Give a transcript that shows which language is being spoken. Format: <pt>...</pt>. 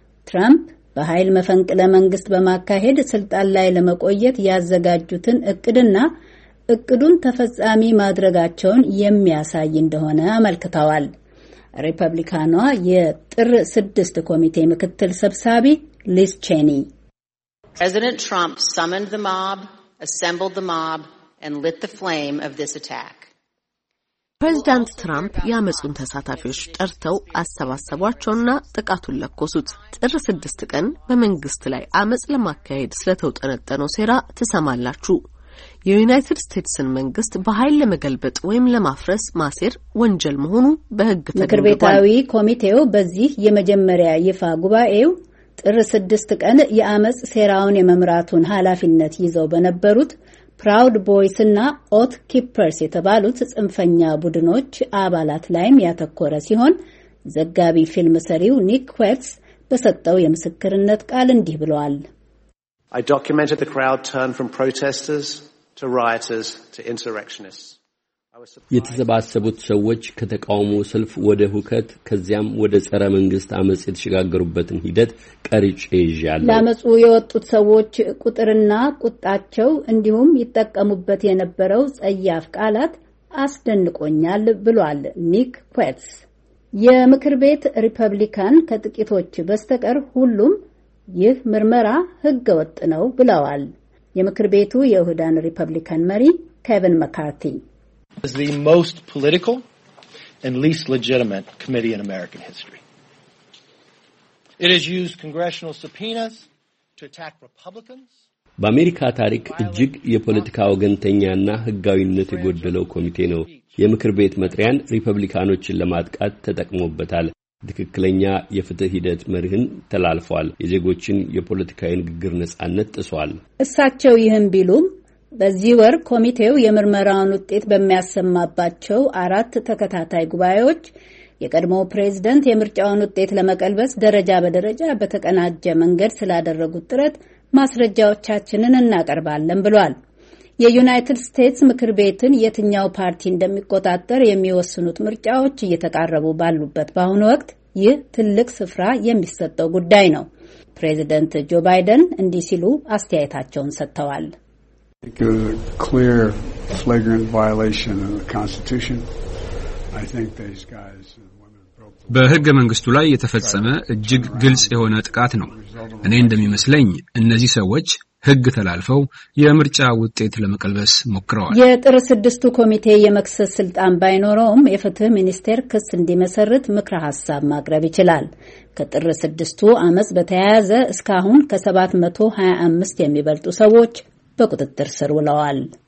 <am>ትራምፕ በኃይል መፈንቅለ መንግስት በማካሄድ ስልጣን ላይ ለመቆየት ያዘጋጁትን እቅድና እቅዱን ተፈጻሚ ማድረጋቸውን የሚያሳይ እንደሆነ አመልክተዋል። ሪፐብሊካኗ የጥር 6 ኮሚቴ ምክትል ሰብሳቢ ሊስ ቼኒ</am> <en>President Trump summoned the mob, assembled the mob and lit the flame of this attack.</en> <am>ፕሬዝዳንት ትራምፕ ያመጹን ተሳታፊዎች ጠርተው አሰባሰቧቸውና ጥቃቱን ለኮሱት። ጥር 6 ቀን በመንግስት ላይ አመጽ ለማካሄድ ስለተውጠነጠነው ሴራ ተሰማላችሁ። የዩናይትድ ስቴትስን መንግስት በኃይል ለመገልበጥ ወይም ለማፍረስ ማሴር ወንጀል መሆኑ በሕግ ተገልጿል። ምክር ቤታዊ ኮሚቴው በዚህ የመጀመሪያ ይፋ ጉባኤው ጥር 6 ቀን የአመጽ ሴራውን የመምራቱን ኃላፊነት ይዘው በነበሩት ፕራውድ ቦይስ እና ኦት ኪፐርስ የተባሉት ጽንፈኛ ቡድኖች አባላት ላይም ያተኮረ ሲሆን ዘጋቢ ፊልም ሰሪው ኒክ ኳትስ በሰጠው የምስክርነት ቃል እንዲህ ብለዋል።</am> <en>I documented the crowd turn from protesters to rioters to insurrectionists.</en> <am>የተሰባሰቡት ሰዎች ከተቃውሞ ሰልፍ ወደ ሁከት ከዚያም ወደ ጸረ መንግስት አመጽ የተሸጋገሩበትን ሂደት ቀርጬ ይዣለሁ። ለአመጹ የወጡት ሰዎች ቁጥርና ቁጣቸው እንዲሁም ይጠቀሙበት የነበረው ጸያፍ ቃላት አስደንቆኛል ብሏል ኒክ ኳትስ። የምክር ቤት ሪፐብሊካን ከጥቂቶች በስተቀር ሁሉም ይህ ምርመራ ህገ ወጥ ነው ብለዋል። የምክር ቤቱ የሁዳን ሪፐብሊካን መሪ ኬቨን መካርቲ</am> <en>is the most political and least legitimate committee in American history. It has used congressional subpoenas to attack Republicans.</en> <am>በአሜሪካ ታሪክ እጅግ የፖለቲካ ወገንተኛና ህጋዊነት የጎደለው ኮሚቴ ነው። የምክር ቤት መጥሪያን ሪፐብሊካኖችን ለማጥቃት ተጠቅሞበታል። ትክክለኛ የፍትህ ሂደት መርህን ተላልፏል። የዜጎችን የፖለቲካ ንግግር ነጻነት ጥሷል። እሳቸው ይህን ቢሉም በዚህ ወር ኮሚቴው የምርመራውን ውጤት በሚያሰማባቸው አራት ተከታታይ ጉባኤዎች የቀድሞው ፕሬዝዳንት የምርጫውን ውጤት ለመቀልበስ ደረጃ በደረጃ በተቀናጀ መንገድ ስላደረጉት ጥረት ማስረጃዎቻችንን እናቀርባለን ብሏል። የዩናይትድ ስቴትስ ምክር ቤትን የትኛው ፓርቲ እንደሚቆጣጠር የሚወስኑት ምርጫዎች እየተቃረቡ ባሉበት በአሁኑ ወቅት ይህ ትልቅ ስፍራ የሚሰጠው ጉዳይ ነው። ፕሬዝዳንት ጆ ባይደን እንዲህ ሲሉ አስተያየታቸውን ሰጥተዋል።</am> <en>It was a clear flagrant violation of the constitution. I think these guys</en> <am>በህገ መንግስቱ ላይ የተፈጸመ እጅግ ግልጽ የሆነ ጥቃት ነው። እኔ እንደሚመስለኝ እነዚህ ሰዎች ህግ ተላልፈው የምርጫ ውጤት ለመቀልበስ ሞክረዋል። የጥር ስድስቱ ኮሚቴ የመክሰስ ስልጣን ባይኖረውም የፍትህ ሚኒስቴር ክስ እንዲመሰርት ምክረ ሐሳብ ማቅረብ ይችላል። ከጥር ስድስቱ አመጽ በተያያዘ እስካሁን ከ725 የሚበልጡ ሰዎች በቁጥጥር ስር ውለዋል።</am>